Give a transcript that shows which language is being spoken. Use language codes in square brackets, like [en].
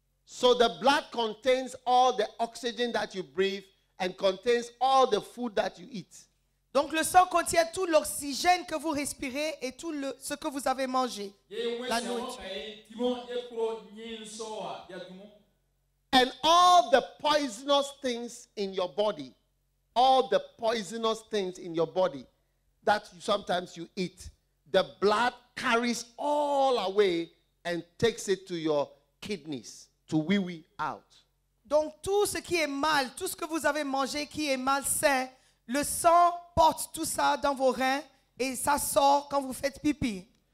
[en] So the blood contains all the oxygen that you breathe and contains all the food that you eat. [fr] Donc le sang contient tout l'oxygène que vous respirez et tout le, ce que vous avez mangé la nuit. [en] And all the poisonous things in your body, all the poisonous things in your body that you, sometimes you eat, the blood carries all away and takes it to your kidneys. To wee-wee out. [fr] Donc tout ce qui est mal, tout ce que vous avez mangé qui est malsain, le sang porte tout ça dans vos reins et ça sort quand vous faites pipi.